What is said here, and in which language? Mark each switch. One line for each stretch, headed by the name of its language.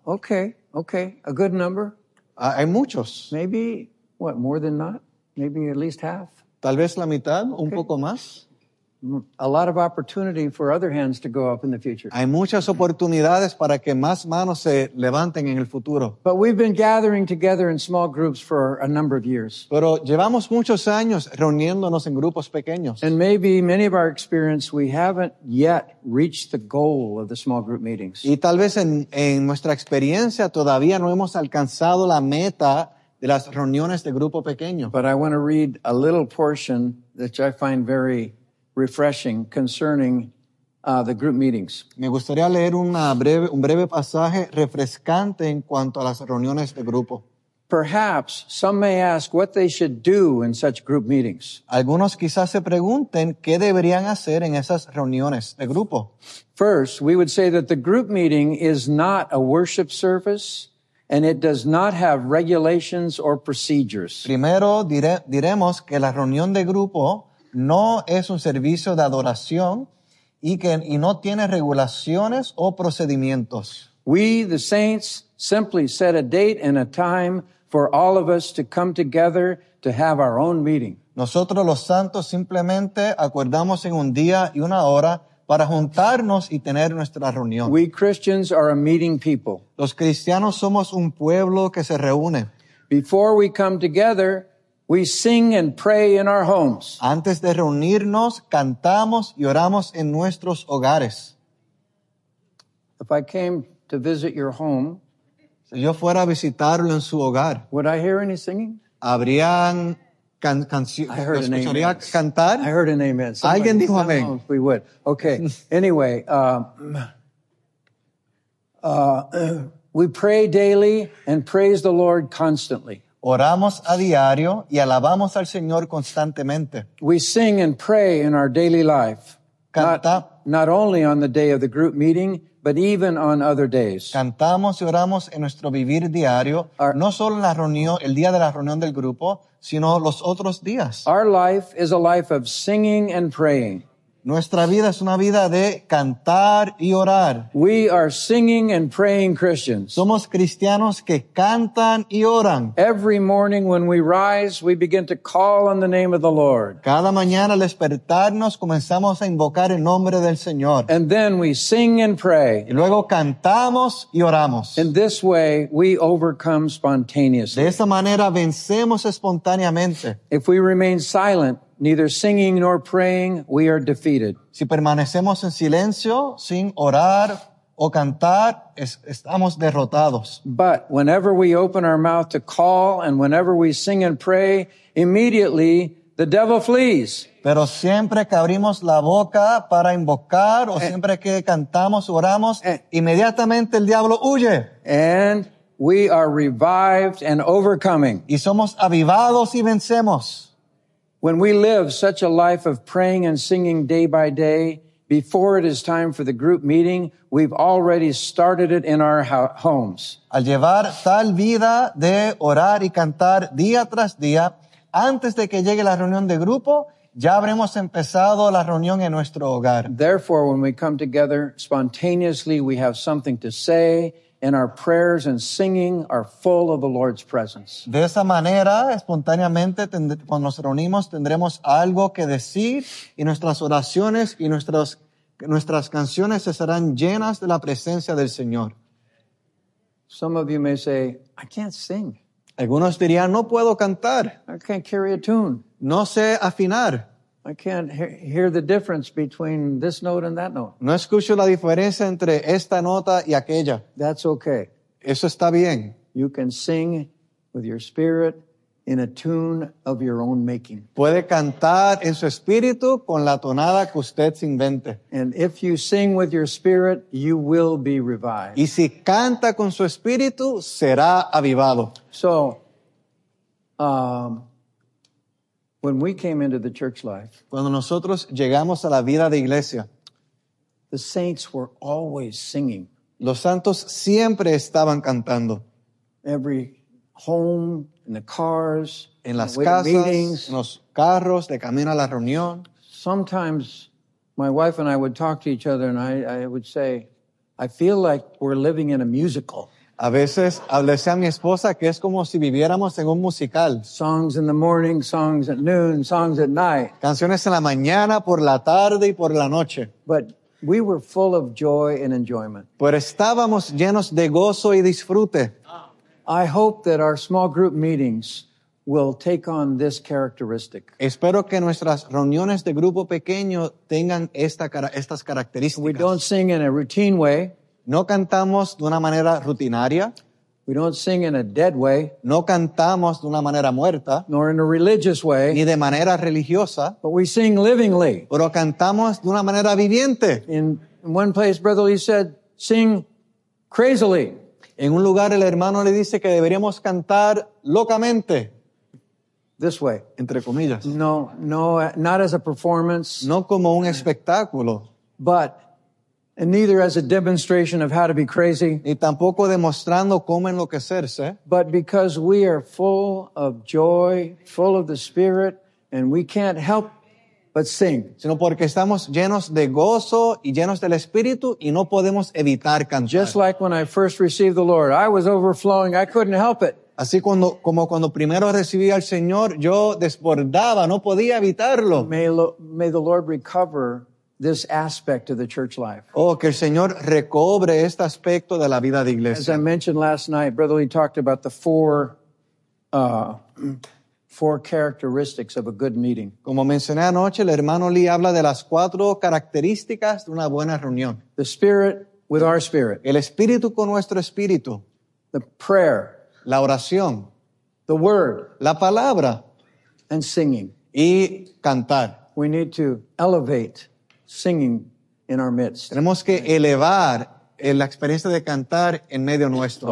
English: Okay, okay, a good number.
Spanish: Hay muchos.
English: Maybe what, more than not? Maybe at least half.
Spanish: Tal vez la mitad, okay. Un poco más.
English: A lot of opportunity for other hands to go up in the future.
Spanish: Hay muchas oportunidades para que más manos se levanten en el futuro.
English: But we've been gathering together in small groups for a number of years.
Spanish: Pero llevamos muchos años reuniéndonos en grupos pequeños.
English: And maybe many of our experience, we haven't yet reached the goal of the small group meetings.
Spanish: Y tal vez en nuestra experiencia todavía no hemos alcanzado la meta de las reuniones de grupo pequeño.
English: But I want to read a little portion that I find very refreshing concerning the group meetings.
Spanish: Me gustaría leer un breve pasaje refrescante en cuanto a las reuniones de grupo.
English: Perhaps some may ask what they should do in such group meetings.
Spanish: Algunos quizás se pregunten qué deberían hacer en esas reuniones de grupo.
English: First, we would say that the group meeting is not a worship service and it does not have regulations or procedures.
Spanish: Primero diremos que la reunión de grupo no es un servicio de adoración y no tiene regulaciones o procedimientos.
English: We, the saints, simply set a date and a time for all of us to come together to have our own meeting.
Spanish: Nosotros, los santos, simplemente acordamos en un día y una hora para juntarnos y tener nuestra reunión.
English: We Christians are a meeting people.
Spanish: Los cristianos somos un pueblo que se reúne.
English: Before we come together, we sing and pray in our homes.
Spanish: Antes de reunirnos, cantamos y oramos en nuestros hogares.
English: If I came to visit your home,
Spanish: si yo fuera a visitarlo en su hogar,
English: would I hear any singing?
Spanish: Habrían canciones.
English: I heard an amen.
Spanish: Cantar?
English: I heard an amen. Somebody,
Spanish: alguien dijo amén.
English: We would. Okay. Anyway, we pray daily and praise the Lord constantly.
Spanish: Oramos a diario y alabamos al Señor constantemente.
English: We sing and pray in our daily life. Not only on the day of the group meeting, but even on other days.
Spanish: Cantamos y oramos en nuestro vivir diario, no solo en la reunión, el día de la reunión del grupo, sino los otros días.
English: Our life is a life of singing and praying.
Spanish: Nuestra vida es una vida de cantar y orar.
English: We are singing and praying Christians.
Spanish: Somos cristianos que cantan y oran.
English: Every morning when we rise, we begin to call on the name of the Lord.
Spanish: Cada mañana al despertarnos, comenzamos a invocar el nombre del Señor.
English: And then we sing and pray.
Spanish: Y luego cantamos y oramos.
English: In this way, we overcome spontaneously.
Spanish: De esa manera, vencemos espontáneamente.
English: If we remain silent, neither singing nor praying, we are defeated.
Spanish: Si permanecemos en silencio, sin orar o cantar, estamos derrotados.
English: But whenever we open our mouth to call and whenever we sing and pray, immediately the devil flees.
Spanish: Pero siempre que abrimos la boca para invocar o siempre que cantamos, oramos, inmediatamente el diablo huye.
English: And we are revived and overcoming.
Spanish: Y somos avivados y vencemos.
English: When we live such a life of praying and singing day by day, before it is time for the group meeting, we've already started it in our homes.
Spanish: Al llevar tal vida de orar y cantar día tras día, antes de que llegue la reunión de grupo, ya habremos empezado la reunión en nuestro hogar.
English: Therefore, when we come together spontaneously, we have something to say, and our prayers and singing are full of the Lord's presence.
Spanish: De esa manera, espontáneamente, cuando nos reunimos, tendremos algo que decir, y nuestras oraciones y nuestras canciones estarán llenas de la presencia del Señor.
English: Some of you may say, I can't sing.
Spanish: Algunos dirían, no puedo cantar.
English: I can't carry a tune.
Spanish: No sé afinar.
English: I can't hear the difference between this note and that note.
Spanish: No escucho la diferencia entre esta nota y aquella.
English: That's okay.
Spanish: Eso está bien.
English: You can sing with your spirit in a tune of your own making.
Spanish: Puede cantar en su espíritu con la tonada que usted se invente.
English: And if you sing with your spirit, you will be revived.
Spanish: Y si canta con su espíritu, será avivado.
English: So, when we came into the church life,
Spanish: cuando nosotros llegamos a la vida de iglesia,
English: the saints were always singing.
Spanish: Los santos siempre estaban cantando.
English: Every home, in the cars,
Spanish: en las casas,
English: meetings,
Spanish: en los carros, de camino a la reunión.
English: Sometimes my wife and I would talk to each other and I would say, I feel like we're living in a musical.
Spanish: A veces le decía a mi esposa que es como si viviéramos en un musical.
English: Songs in the morning, songs at noon, songs at night.
Spanish: Canciones en la mañana, por la tarde y por la noche.
English: But we were full of joy and enjoyment.
Spanish: Pero estábamos llenos de gozo y disfrute.
English: I hope that our small group meetings will take on this characteristic.
Spanish: Espero que nuestras reuniones de grupo pequeño tengan estas características.
English: We don't sing in a routine way.
Spanish: No cantamos de una manera rutinaria.
English: We don't sing in a dead way.
Spanish: No cantamos de una manera muerta.
English: Nor in a religious way.
Spanish: Ni de manera religiosa.
English: But we sing livingly.
Spanish: Pero cantamos de una manera viviente.
English: In one place, Brother Lee said, sing crazily.
Spanish: En un lugar el hermano le dice que deberíamos cantar locamente.
English: This way.
Spanish: Entre comillas.
English: No, not as a performance.
Spanish: No como un espectáculo.
English: But, and neither as a demonstration of how to be crazy.
Spanish: Ni tampoco demostrando cómo enloquecerse.
English: But because we are full of joy, full of the Spirit, and we can't help but sing.
Spanish: Sino porque estamos llenos de gozo y llenos del Espíritu y no podemos evitar cantar.
English: Just like when I first received the Lord, I was overflowing, I couldn't help it.
Spanish: Así como cuando primero recibí al Señor, yo desbordaba, no podía evitarlo.
English: May the Lord recover this aspect of the church life.
Spanish: Oh, que el Señor recobre este aspecto de la vida de iglesia.
English: As I mentioned last night, Brother Lee talked about the four characteristics of a good meeting.
Spanish: Como mencioné anoche, el hermano Lee habla de las cuatro características de una buena reunión.
English: The spirit with our spirit.
Spanish: El espíritu con nuestro espíritu.
English: The prayer.
Spanish: La oración.
English: The word.
Spanish: La palabra.
English: And singing.
Spanish: Y cantar.
English: We need to elevate singing in our midst.
Spanish: Tenemos que elevar la experiencia de cantar en medio nuestro.